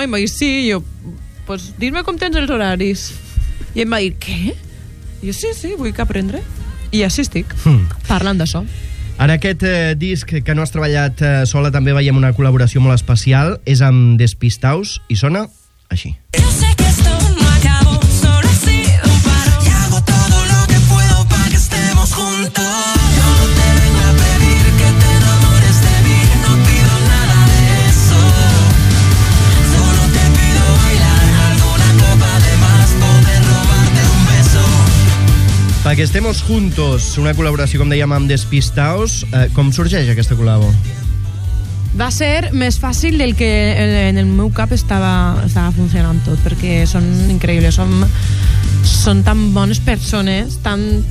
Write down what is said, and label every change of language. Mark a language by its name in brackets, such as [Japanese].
[Catalan] I em va dir, sí, i jo, pues dis-me com tens els horaris. I em va dir, què? I jo, sí, vull que aprendre. I així estic, parlant d'això. En aquest disc que no has treballat sola també veiem una col·laboració molt especial, és amb Despistaus i sona així. [Spanish] Yo sé que esto no acabó, solo así un paro. Y hago todo lo que puedo pa que estemos juntos. Yo no te vengo a pedir que te enamores de mí, no pido nada de eso. Solo te pido bailar alguna copa de más, poder robarte un beso. Pa que estemos juntos, [Catalan] una col·laboració, com dèiem, amb Despistaus. Com sorgeix aquesta col·labo? Va ser més fàcil del que en el meu cap estava funcionant tot, perquè són increïbles, són tan bones persones, tan...